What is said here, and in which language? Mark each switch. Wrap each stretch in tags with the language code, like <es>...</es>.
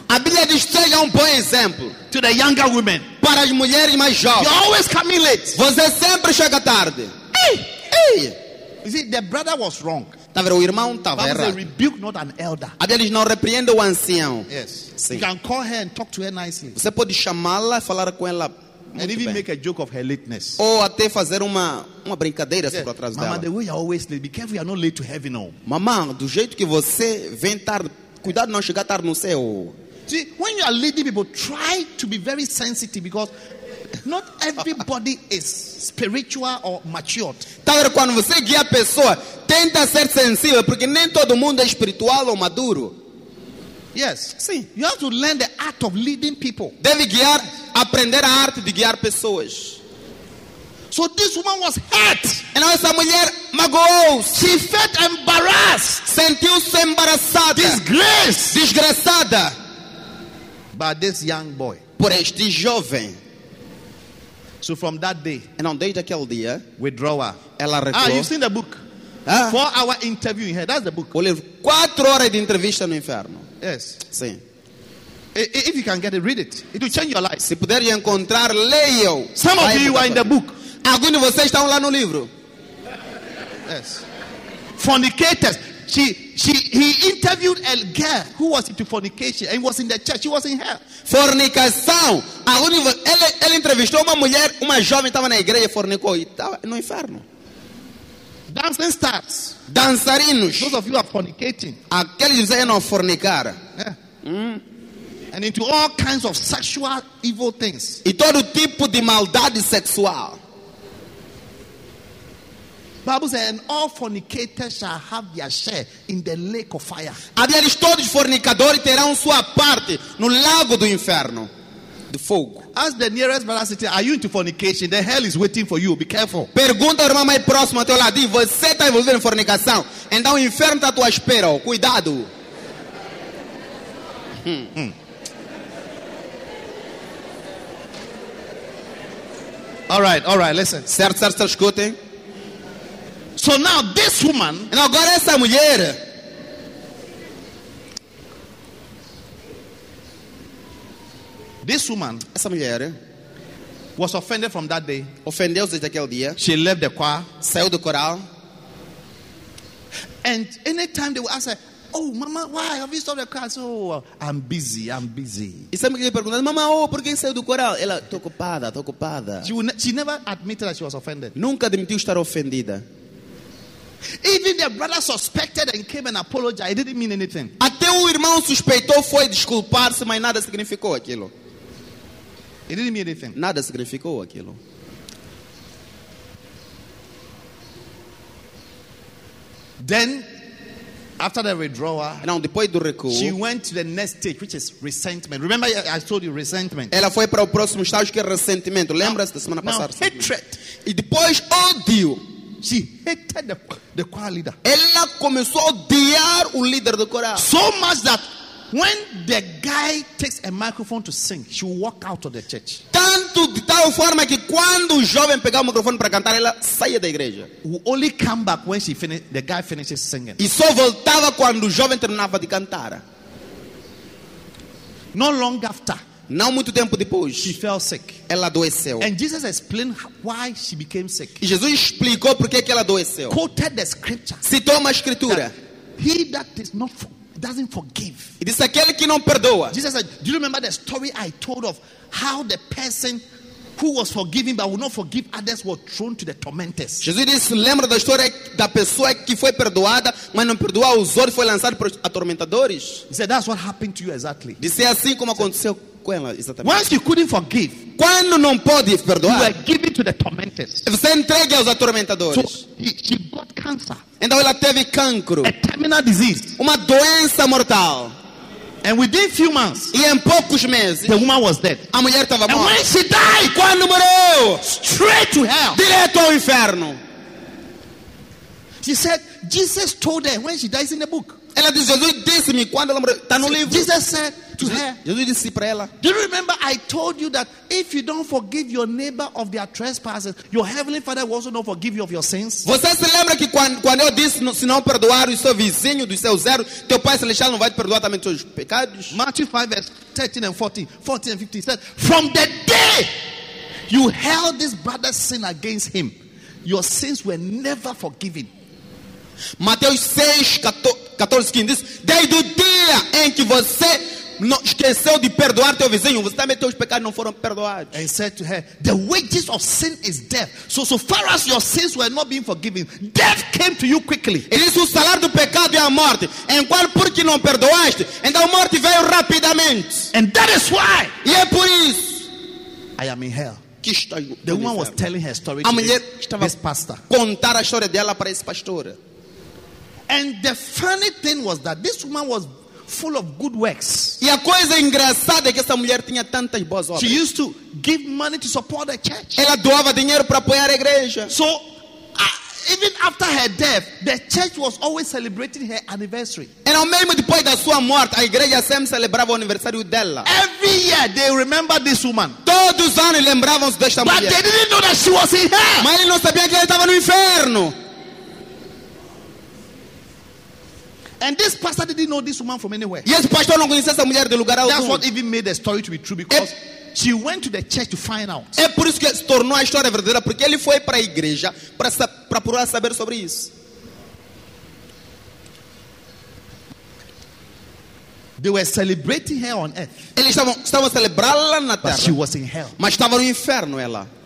<pt>A Bíblia diz seja bom exemplo.</pt> <en>To the younger women.</en> <pt>Para as mulheres mais jovens.</pt> <en>You're always coming late.</en> <pt>Você sempre chega tarde.</pt> <en>Hey. You see, the brother was wrong.</en> <pt>O irmão estava errado.</pt> <en>A rebuke, not an elder.</en> <pt>A Bíblia diz, não repreende o ancião.</pt> <en>Yes.</en> <pt>Sim.</pt> <en>You can call her and talk to her nicely.</en> <pt>Você pode chamá-la e falar com ela.</pt> <en>And even</en> <pt>bem.</pt> <en>Make a joke of her lateness.</en> <pt>Ou até fazer uma brincadeira sobre o atraso dela.</pt> <en>Mama, the way you're always late. Be careful, you're not late to heaven, no.</en> <pt>Mamã, do jeito que você vem tarde, cuidado não chegar tarde no céu.</pt> <en>See, when you are leading people, try to be very sensitive because not everybody is spiritual or mature.</en> <pt>Quando você guia a pessoa, tenta ser sensível, porque nem todo mundo é espiritual ou maduro.</pt> <en>Yes.</en> <pt>Sim.</pt> <en>You have to learn the art of leading people.</en> <pt>Deve guiar, aprender a arte de guiar pessoas.</pt> <en>So this woman was hurt.</en> <pt>E não, essa mulher magoou-se.</pt> <en>She felt embarrassed.</en> <pt>Sentiu-se embaraçada.</pt> <en>Disgrace.</en> <pt>Desgraçada.</pt> <en>By this young boy.</en> <pt>Por este jovem.</pt> <en>So from that day, and on date</en> <pt>aquele dia,</pt> <en>withdrawal.</en> <pt>Ela recuou.</pt> <en>Ah, you've seen the book. Ah. 4-hour interview in here. That's the book.</en> <pt>O livro, 4 horas de entrevista no inferno.</pt> <en>Yes.</en> <pt>Sim.</pt> <en>If you can get it, read it. It will change your life.</en> <pt>Se puder encontrar, leia.</pt> <en>Some of you are in the book.</en> <pt>Alguns de vocês estão lá no livro.</pt> <en>Yes. Fornicators. He interviewed a girl who was into fornication and was in the church. She was in hell.</en> <pt>Fornicação. Ele entrevistou uma mulher, uma jovem estava na igreja, fornicou e estava no inferno.</pt> <en>Dancing stars.</en> <pt>Dançarinos.</pt> <en>Those of you are fornicating.</en> <pt>Aqueles que dizem não fornicar.</pt> <en>Yeah. And into all kinds of sexual evil things.</en> <pt>E todo tipo de maldade sexual.</pt> <en>Bible says, and all fornicators shall have their share in the lake of fire.</en> <pt>Aliás, todos os fornicadores terão sua parte no lago do inferno. De fogo.</pt> <en>Ask the nearest brother, sister, are you into fornication? The hell is waiting for you. Be careful.</en> <pt>Pergunta ao irmão mais próximo ao teu lado. Você está envolvido em fornicação. Então o inferno está à tua espera. Cuidado.</pt> <en>All right, listen.</en> <pt>Certo, escutem.</pt> <en>So now this woman,</en> <pt>and agora essa mulher,</pt> <en>this woman,</en> <pt>essa mulher,</pt> <en>was offended from that day.</en> <pt>Ofendeu-se desde aquele dia.</pt> <en>She left the choir,</en> <pt>saiu do coral.</pt> <en>And anytime they would ask her, oh, mama, why have you stopped the choir? So I'm busy.</en> <pt>E sempre que ele pergunta, mama, por que saiu do coral? Ela, tô ocupada.</pt> <en>She never admitted that she was offended.</en> <pt>Nunca admitiu estar ofendida.</pt> <en>Even the brother suspected and came and apologized. It didn't mean anything.</en> <pt>Até o irmão suspeitou, foi desculpar-se, mas nada significou aquilo.</pt> <en>It didn't mean anything.</en> <pt>Nada significou aquilo.</pt> <en>Then, after the withdrawal,</en> <pt>não, depois do recuo,</pt> <en>she went to the next stage, which is resentment. Remember, I told you resentment.</en> <pt>Ela foi para o próximo estágio, que é ressentimento. Lembra-se da semana passada?</pt> <en>Now, hatred.</en> <pt>E depois, ódio.</pt> <en>She hated the choir leader.</en> <pt>Ela começou a odiar o líder do coral.</pt> <en>So much that When the guy takes a microphone to sing, she will walk out of the church.</en> <pt>Tanto de tal forma que quando o jovem pegar o microfone para cantar, ela saia da igreja.</pt> <en>Will only come back when she finish, the guy finishes singing.</en> <pt>E só voltava quando o jovem terminava de cantar.</pt> <en>Not long after.</en> <pt>Não muito tempo depois,</pt> <en>she fell sick.</en> <pt>Ela adoeceu.</pt> <en>And Jesus explained why she became sick.</en> <pt>E Jesus explicou por que ela adoeceu.</pt> <en>Quoted the scripture.</en> <pt>Citou uma escritura.</pt> <en>He that is not doesn't forgive.</en> <pt>E disse aquele que não perdoa.</pt> <en>Jesus said, do you remember the story I told of how the person who was forgiven but would not forgive others were thrown to the tormentors?</en> <pt>Jesus disse, lembra da história da pessoa que foi perdoada, mas não perdoa os outros, foi lançado para os atormentadores?</pt> <en>He said, that's what happened to you exactly.</en> <pt>Disse assim como aconteceu.</pt> <en>Once you couldn't forgive,</en> <pt>quando não pode perdoar,</pt> <en>you were given to the tormentors.</en> <pt>Você entregue aos atormentadores.</pt> <en>So she got cancer.</en> <pt>Então ela teve cancro.</pt> <en>A terminal disease.</en> <pt>Uma doença mortal.</pt> <en>And within few months,</en> <pt>e em poucos meses,</pt> <en>the woman was dead.</en> <pt>A mulher estava morta.</pt> <en>And when she died,</en> <pt>quando morreu,</pt> <en>straight to hell.</en> <pt>Direto ao inferno.</pt> <en>She said, Jesus told her when she dies in the book.</en> <pt>Ela disse, Jesus disse-me quando ela morreu. Está no livro.</pt> <en>Jesus said to her.</en> <pt>Jesus disse para ela.</pt> <en>Do you remember I told you that if you don't forgive your neighbor of their trespasses, your heavenly Father will also not forgive you of your sins?</en> <pt>Você se lembra que quando eu disse, se não perdoar o seu vizinho dos seus erros, teu Pai Celestial não vai te perdoar também teus pecados?</pt> <en>Matthew 5, verse 13 and 14. 14 and 15 says, from the day you held this brother's sin against him, your sins were never forgiven.</en> <pt>Mateus 6, 14, 15 diz: desde o dia em que você não esqueceu de perdoar teu vizinho, você também teus pecados não foram perdoados.</pt> <en>And said to her, the wages of sin is death. So far as your sins were not being forgiven, death came to you quickly.</en> <pt>Ele disse: o salário do pecado é a morte. Enquanto porque não perdoaste, então a morte veio rapidamente.</pt> <en>And that is why.</en> <pt>E é por isso.</pt> <en>I am in hell. The woman was telling her story.</en> <pt>A mulher estava pastor. Contar a história dela para esse pastor.</pt> <en>And the funny thing was that this woman was full of good works.</en> <pt>E a coisa engraçada é que essa mulher tinha tantas boas obras.</pt> <en>She used to give money to support the church.</en> <pt>Ela doava dinheiro para apoiar a igreja.</pt> <en>So even after her death, the church was always celebrating her anniversary.</en> <pt>And ao mesmo depois da sua morte, a igreja sempre celebrava o aniversário dela.</pt> <en>Every year they remember this woman.</en> <pt>Todos os anos lembravam-se desta mulher.</pt> <en>But they didn't know that she was in hell.</en> <pt>Mas eles não sabiam que ela estava no inferno.</pt> <en>And this pastor didn't know this woman from anywhere.</en> <pt>Yes, pastor não conhecia essa mulher de lugar algum.</pt> <en>That's what even made the story to be true, because she went to the church to find out.</en> <pt>É por isso que se tornou a história verdadeira, porque ele foi para a igreja para procurar saber sobre isso.</pt> <en>They were celebrating her on earth.</en> <pt>Eles estavam celebrá-la na terra.</pt> <en>But she was in hell.</en> <pt>Mas estava no inferno ela.</pt>